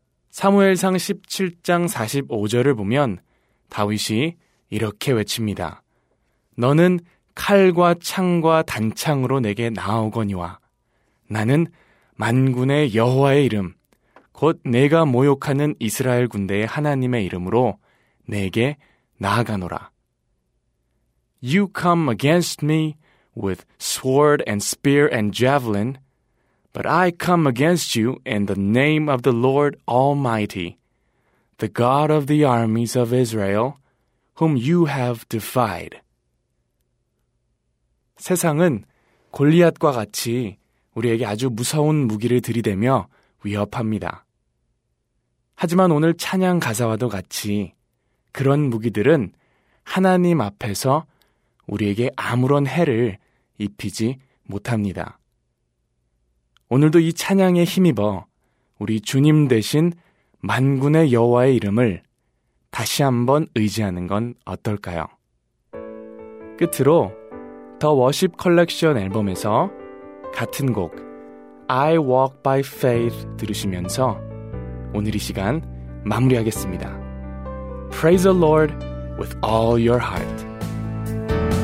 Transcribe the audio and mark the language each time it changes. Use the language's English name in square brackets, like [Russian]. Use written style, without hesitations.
[Korean] 사무엘상 17장 45절을 보면 다윗이 이렇게 외칩니다. 너는 칼과 창과 단창으로 내게 나오거니와 나는 만군의 여호와의 이름 곧 내가 모욕하는 이스라엘 군대의 하나님의 이름으로 내게 나아가노라. [English] You come against me with sword and spear and javelin, but I come against you in the name of the Lord Almighty, the God of the armies of Israel, whom you have defied. [Korean] 세상은 골리앗과 같이 우리에게 아주 무서운 무기를 들이대며 위협합니다. 하지만 오늘 찬양 가사와도 같이 그런 무기들은 하나님 앞에서 우리에게 아무런 해를 입히지 못합니다. 오늘도 이 찬양에 힘입어 우리 주님 대신 만군의 여호와의 이름을 다시 한번 의지하는 건 어떨까요? 끝으로 더 워십 컬렉션 앨범에서 같은 곡 I Walk By Faith 들으시면서 오늘 이 시간 마무리하겠습니다. [English] Praise the Lord with all your heart.